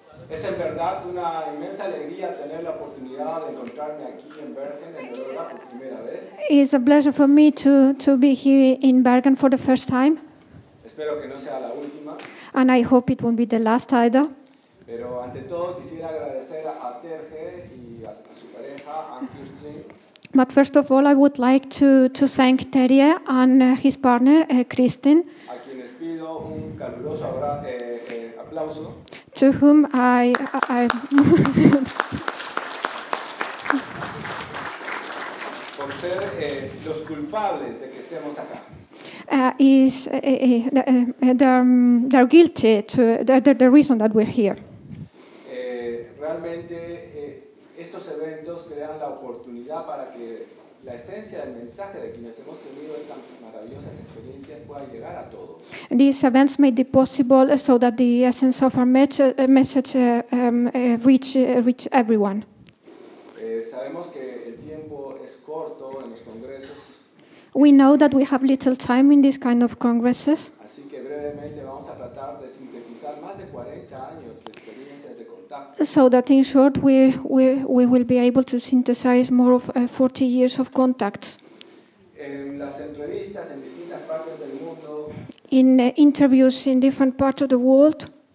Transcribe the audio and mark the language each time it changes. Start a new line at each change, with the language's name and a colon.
Spanish: Es en verdad una inmensa alegría tener la oportunidad de encontrarme aquí en Bergen, en verdad, por primera vez.
English: It's a pleasure for me to be here in Bergen for the first time.
Spanish: Espero que no sea la última.
English: And I hope it won't be the last either.
Spanish: Pero ante todo quisiera agradecer a Terje y a su pareja, Ann-Kirsten.
English: But first of all, I would like to thank Terje and his partner, Kristin.
Spanish: A quienes pido un caluroso aplauso.
English: To whom I
Spanish: por ser los culpables de que estemos acá.
English: They're guilty to the reason that we're here.
Spanish: Realmente estos eventos crean la oportunidad para que la esencia del mensaje de quienes hemos tenido estas maravillosas experiencias pueda llegar a todos.
English: These events made it possible so that the essence of our message reach everyone.
Spanish: Sabemos que el tiempo es corto en los congresos.
English: We know that we have little time in these kind of congresses.
Spanish: Así que brevemente vamos a tratar de sintetizar más de 40 años de experiencias de contacto.
English: So that in short we will be able to synthesize more of 40 years of contacts.
Spanish: En las entrevistas en distintas partes del mundo.
English: In interviews in different parts of the world.